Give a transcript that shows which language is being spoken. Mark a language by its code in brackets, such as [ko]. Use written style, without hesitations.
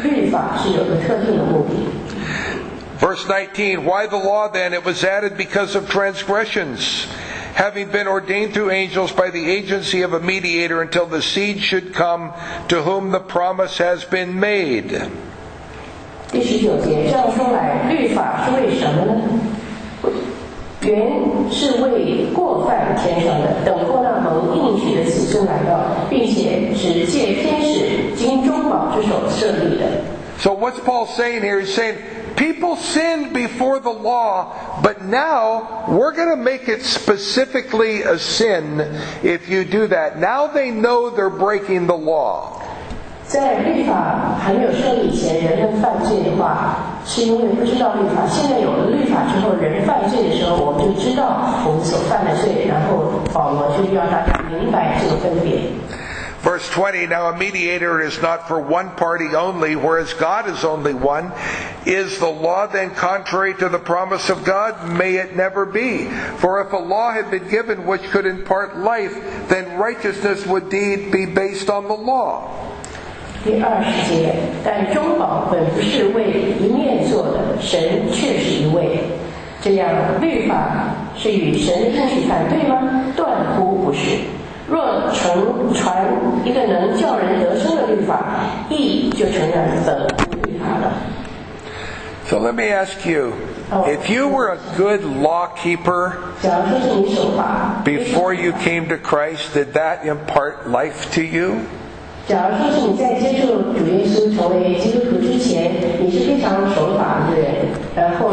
[en] Verse 19, why the law then? It was added because of transgressions, having been ordained through angels by the agency of a mediator until the seed should come to whom the promise has been made. [zh] 第十九节，这样说来，律法是为什么呢？原是为过犯添上的，等过那蒙应许的子孙来到，并且只借天使经中保之手设立的。 [en] So what's Paul saying here? He's saying people sinned before the law, but now we're going to make it specifically a sin if you do that. Now they know they're breaking the law. [zh] 在律法还没有设立以前，人们犯罪的话是因为不知道律法，现在有了律法之后，人犯罪的时候，我们就知道我们所犯的罪，然后保罗就让大家明白这个分别。 [en] Verse 20, now a mediator is not for one party only, whereas God is only one. Is the law then contrary to the promise of God? May it never be. For if a law had been given which could impart life, then righteousness would indeed be based on the law. [zh] 第二十节，但中保本不是为一面做的，神却是一位。这样律法是与神的应许反对吗？断乎不是。若成传一个能叫人得生的律法，义就承认本律法了。 [en] So let me ask you, if you were a good law keeper, [zh] 假如说是你守法 [en] before you came to Christ, did that impart life to you? [zh] 假如说是你在接受主耶稣成为基督徒之前，你是非常守法的人，然后